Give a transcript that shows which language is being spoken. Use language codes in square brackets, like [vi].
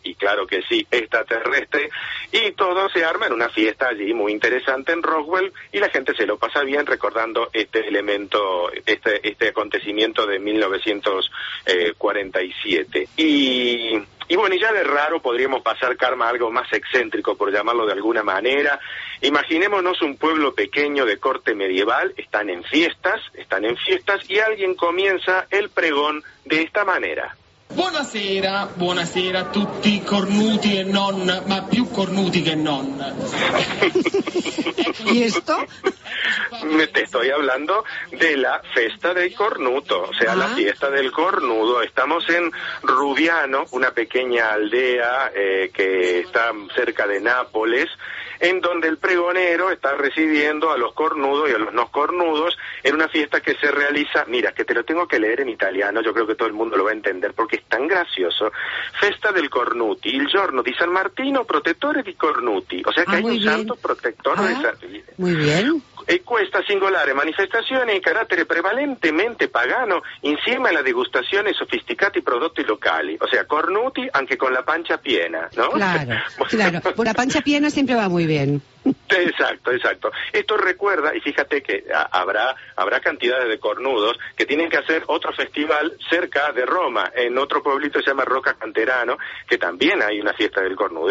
[es] Y claro que sí, extraterrestre. Y todo se arma en una fiesta allí muy interesante en Roswell, y la gente se lo pasa bien recordando este elemento, este acontecimiento de 1947. Y bueno, y ya de raro podríamos pasar, Karma, a algo más excéntrico, por llamarlo de alguna manera. Imaginémonos un pueblo pequeño de corte medieval, están en fiestas, y alguien comienza el pregón de esta manera. [it] Buonasera, buonasera a tutti cornuti e non, ma più cornuti che non. [es] ¿Y esto? Te estoy hablando de la fiesta del cornuto, o sea, la fiesta del cornudo. Estamos en Rubiano, una pequeña aldea que está cerca de Nápoles, en donde el pregonero está recibiendo a los cornudos y a los no cornudos en una fiesta que se realiza, mira, que te lo tengo que leer en italiano, yo creo que todo el mundo lo va a entender porque es tan gracioso. [it] Festa del Cornuti, il giorno di San Martino, protettore di cornuti. [es] O sea que hay un santo protector de San Martino. Muy bien. [it] E questa singolare manifestazione in carattere prevalentemente pagano insieme alla degustazione sofisticati prodotti locali, [es] o sea, [it] cornuti anche con la pancia piena, ¿no? [es] Claro, [it] con la pancia piena [es] siempre va muy bien. Exacto. Esto recuerda, y fíjate que habrá cantidades de cornudos que tienen que hacer otro festival cerca de Roma, en otro pueblito que se llama Roca Canterano, que también hay una fiesta del cornudo.